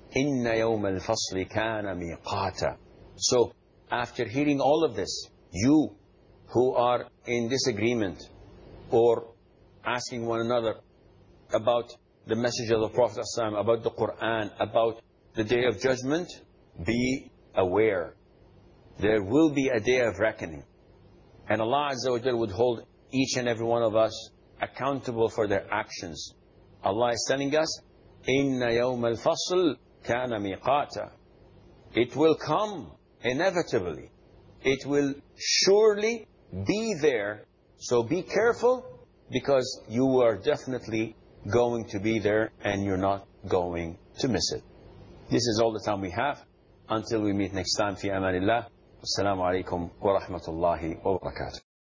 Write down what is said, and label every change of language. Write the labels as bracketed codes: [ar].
[ar] Inna yawm al-fasli kana miqata. [en] So, after hearing all of this, you who are in disagreement or asking one another about the message of the Prophet ﷺ, about the Quran, about the Day of Judgment, be aware. There will be a day of reckoning. And Allah Azza wa Jalla would hold each and every one of us accountable for their actions. Allah is telling us, [ar] إِنَّ يَوْمَ الْفَصْلِ كَانَ مِقَاتًا. [en] It will come inevitably. It will surely be there. So be careful, because you are definitely going to be there and you're not going to miss it. This is all the time we have. Until we meet next time, [ar] في أمان الله. السلام عليكم ورحمة الله وبركاته.